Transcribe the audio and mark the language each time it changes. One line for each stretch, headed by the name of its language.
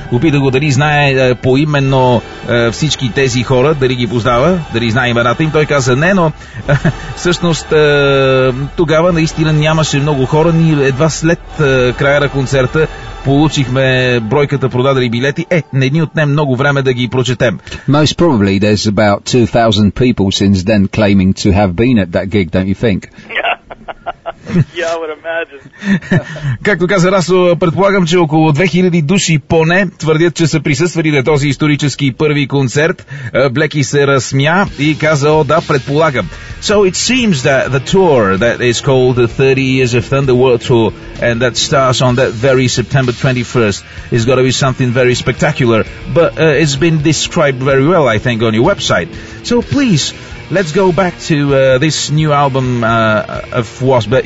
Bulgarian: Опитах го дали знае поименно всички тези хора, дали ги познава, дали знае имената им. Той каза не, но всъщност тогава наистина нямаше много хора. Ни едва след края на концерта получихме бройката продадени билети. Е, не ни отне много време да ги прочетем.
English: Most probably there's about 2,000 people since then claiming to have been at that gig, don't you think? Yeah, I would imagine.
Bulgarian: Както каза Расо, предполагам, че около 2000 души поне твърдят, че са присъствали на този исторически първи концерт. Блеки се разсмя и каза, о да, предполагам.
English: So it seems that the tour that is called the 30 Years of Thunder World Tour and that starts on that very September 21st is going to be something very spectacular, but it's been described very well, I think, on your website. So please, let's go back to this new album of WASP.